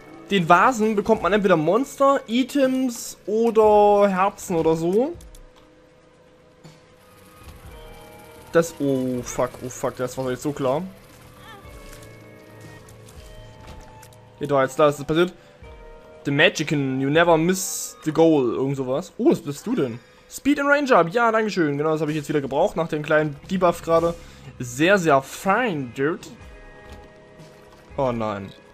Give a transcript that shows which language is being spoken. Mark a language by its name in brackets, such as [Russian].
[German] Den Vasen bekommt man entweder Monster, Items oder Herzen oder so. Das. Oh fuck, das war jetzt so klar. Geht doch jetzt da, was ist passiert? [English] The Magician, you never miss the goal. [German] Irgend sowas. Oh, was bist du denn? Speed and Range Up. Ja, danke schön. Genau, das habe ich jetzt wieder gebraucht nach dem kleinen Debuff gerade. Sehr, sehr fein, Dude. Oh nein.